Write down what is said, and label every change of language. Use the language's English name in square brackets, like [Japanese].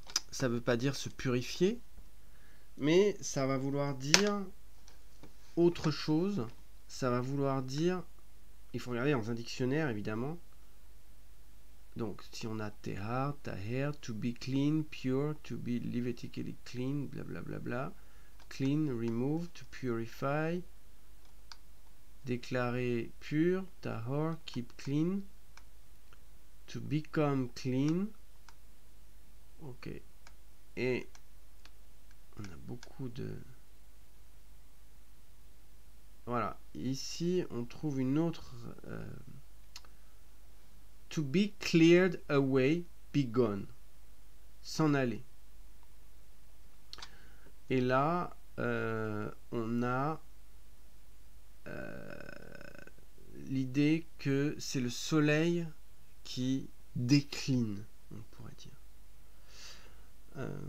[French] Ça veut pas dire se purifier. Mais ça va vouloir dire autre chose. Ça va vouloir dire. Il faut regarder dans un dictionnaire, évidemment. Donc, si on a [English] Tehar, Taher, to be clean, pure, to be levitically clean, blablabla, clean, remove, to purify, [French] déclarer pur, [English] Tahor, keep clean, to become clean. [French] Ok. Et on a beaucoup de. Voilà, ici on trouve une autre. [English] To be cleared away, be gone. [French] S'en aller. Et là, on a l'idée que c'est le soleil qui décline, on pourrait dire.